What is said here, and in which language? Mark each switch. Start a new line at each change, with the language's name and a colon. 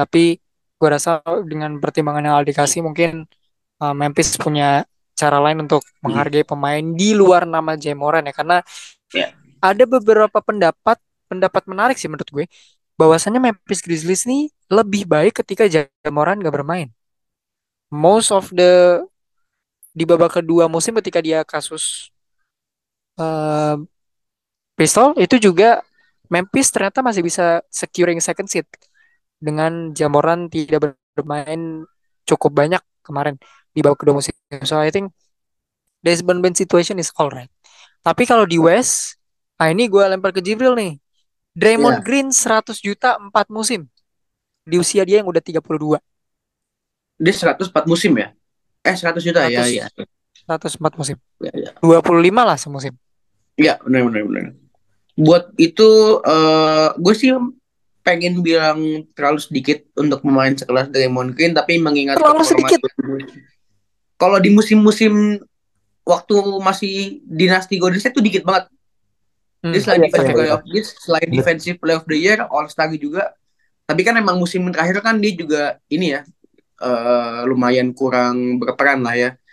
Indonesian: Tapi gue rasa dengan pertimbangan yang Aldi kasih mungkin Memphis punya cara lain untuk menghargai pemain di luar nama Jamoran ya, karena ada beberapa pendapat pendapat menarik sih menurut gue bahwasannya Memphis Grizzlies nih lebih baik ketika Jamoran gak bermain
English: most of the
Indonesian: di babak kedua musim ketika dia kasus pistol itu juga Memphis ternyata masih bisa
English: securing second seed
Indonesian: dengan Jamoran tidak bermain cukup banyak kemarin di babak kedua musim.
English: So I think Desmond Bane situation is all right.
Indonesian: Tapi kalau di West, nah ini gue lempar ke Jibril nih. Draymond Green 100 juta 4 musim. Di usia dia yang udah 32. Dia 104 musim ya? 100 juta 100, ya, ya. 104 musim. 25 lah semusim. Iya, benar. Buat itu, gue sih pengen bilang terlalu sedikit untuk pemain sekelas Draymond Green, tapi mengingat terlalu sedikit. Kalau di musim-musim waktu masih dinasti Golden State itu dikit banget. Dia selain defensive player of this, selain defensive player of the year, All Star juga. Tapi kan emang musim terakhir kan dia juga ini ya lumayan kurang berperan lah ya.